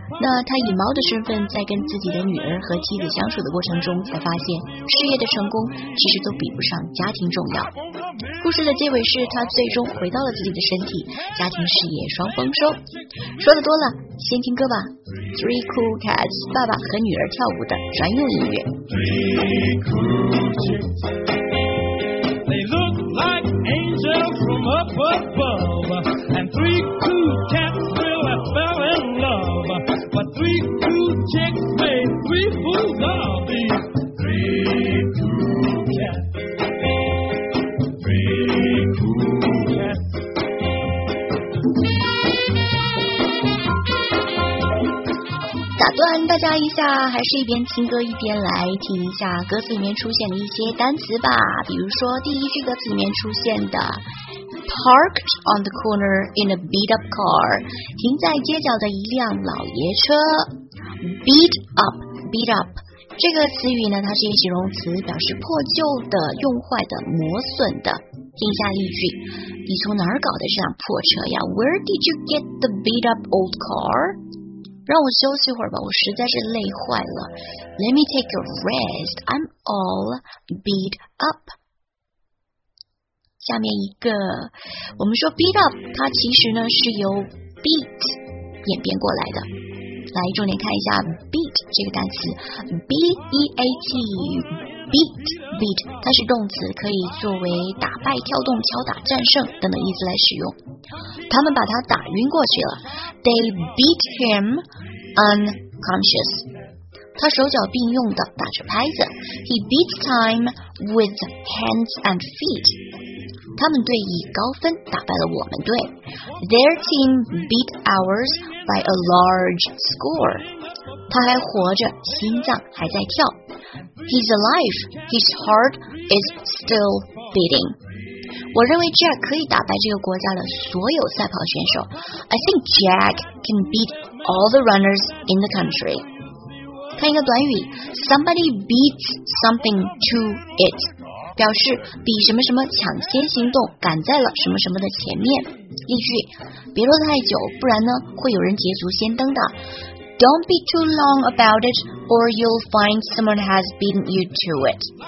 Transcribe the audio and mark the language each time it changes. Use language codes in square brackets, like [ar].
[zh] 那他以猫的身份在跟自己的女儿和妻子相处的过程中，才发现事业的成功其实都比不上家庭重要。故事的结尾是他最终回到了自己的身体，家庭事业双丰收。说的多了，先听歌吧。 Three Cool Cats， 爸爸和女儿跳舞的专用音乐。 [en] They look like angels from up above, and three cool cats really fell in love. But three cool chicks made three fools of these. Three cool cats, three cool cats. [zh] 问大家一下，还是一边听歌一边来听一下歌词里面出现的一些单词吧。比如说第一句歌词里面出现的 [en] Parked on the corner in a beat up car， [zh] 停在街角的一辆老爷车。 Beat up 这个词语呢，它是一个形容词，表示破旧的、用坏的、磨损的。听一下例句，你从哪儿搞的这辆破车呀？ [en] Where did you get the beat up old car？ [zh] 让我休息会儿吧，我实在是累坏了。 [en] Let me take a rest, I'm all beat up。 [zh] 下面一个，我们说 beat up 它其实呢是由 beat 演变过来的。来重点看一下 beat 这个单词， B-E-A-T beat beat 它是动词，可以作为打败、跳动、敲打、战胜等等意思来使用。他们把他打晕过去了， [en] They beat himunconscious， [zh] 他手脚并用的打着拍子。 [en] He beats time with hands and feet， [zh] 他们队以高分打败了我们队。 [en] Their team beat ours by a large score， [zh] 他还活着，心脏还在跳。 [en] He's alive, his heart is still beating。 [zh] 我认为 Jack 可以打败这个国家的所有赛跑选手。 [en] I think Jack can beat all the runners in the country。 [zh] 看一个短语， [en] Somebody beats something to it， [zh] 表示比什么什么抢先行动，赶在了什么什么的前面。例句，别拖太久，不然呢会有人捷足先登的。 [en] Don't be too long about it or you'll find someone has beaten you to it。